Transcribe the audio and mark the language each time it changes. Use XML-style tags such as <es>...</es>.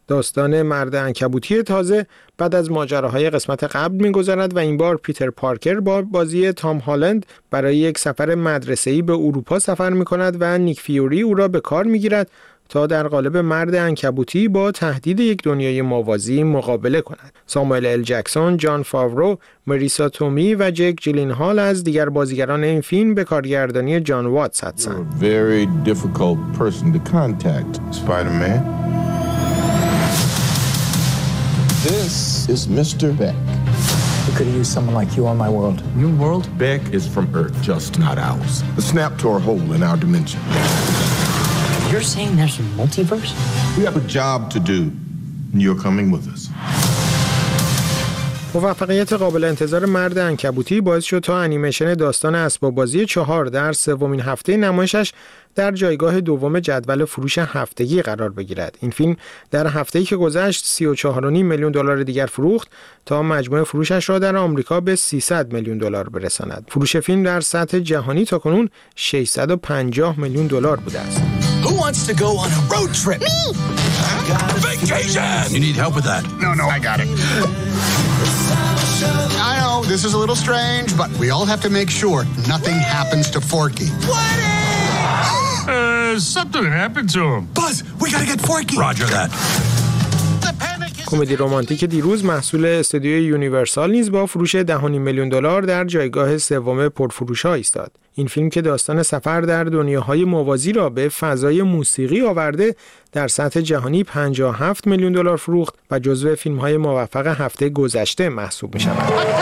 <fa>داستان مرد عنکبوتی تازه بعد از ماجراهای قسمت قبل می‌گذرد و این بار پیتر پارکر با بازی تام هالند برای یک سفر مدرسه‌ای به اروپا سفر می‌کند و نیک فیوری او را به کار می‌گیرد تا در قالب مرد عنکبوتی با تهدید یک دنیای موازی مقابله کند. ساموئل ال جکسون، جان فاورو، مریسا تومی و جک جیلنهال از دیگر بازیگران این فیلم به کارگردانی جان واتس هستند.</fa> <en>Very difficult person to contact, Spider-Man. This is Mr. Beck. I could use someone like you on my world. New world? Beck is from Earth, just not ours. A snap to our hole in our dimension. You're saying there's a multiverse? We have a job to do, and you're coming with us.</en> <fa>موفقیت قابل انتظار مرد عنکبوتی باعث شد تا انیمیشن داستان اسباب بازی 4 در سومین هفته نمایشش در جایگاه دوم جدول فروش هفتگی قرار بگیرد. این فیلم در هفته‌ای که گذشت 34.5 میلیون دلار دیگر فروخت تا مجموع فروشش را در آمریکا به 300 میلیون دلار برساند. فروش فیلم در سطح جهانی تا کنون 650 میلیون دلار بوده است.</fa> <en>Who wants to go on a road trip? Me. Vacation. You need help with that? No, no, I got it. I know this is a little strange, but we all have to make sure nothing happens to Forky. What? Something happened to him. Buzz, we gotta get Forky. Roger that.</en> <fa>کمدی رمانتیک دیروز محصول استودیوی یونیورسال نیز با فروش 10.5 میلیون دلار در جایگاه سوم پرفروش‌ها ایستاد. این فیلم که داستان سفر در دنیاهای موازی را به فضای موسیقی آورده در سطح جهانی 57 میلیون دلار فروخت و جزو فیلم‌های موفق هفته گذشته محسوب می‌شود.</fa>